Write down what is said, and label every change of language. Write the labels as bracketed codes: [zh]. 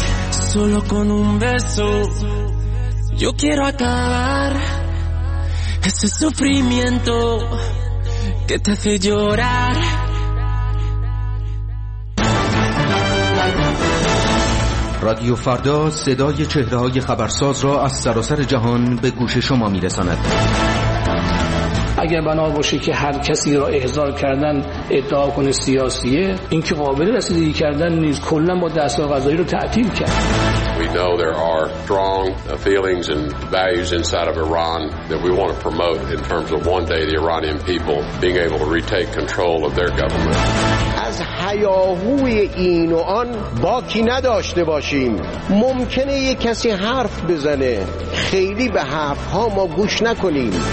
[es] Solo con un beso yo quiero acabar ese sufrimiento que te hace llorar. [fa] رادیو فردا صدای چهره‌های خبرساز را از سراسر جهان به گوش شما می‌رساند. اگر بنا باشه که هر کسی را احضار کردن ادعا کنه سیاسیه، این که قابل رسیدگی کردن نیست، کلا با دستگاه قضایی رو تعطیل کرد. [en] We know there are strong feelings and values inside of Iran that we want to promote in terms of one day the Iranian people being able to retake control of their government. [fa] از هیاهوی این و آن باکی نداشته باشیم. ممکنه یه کسی حرف بزنه، خیلی به حرف ها ما گوش نکنیم.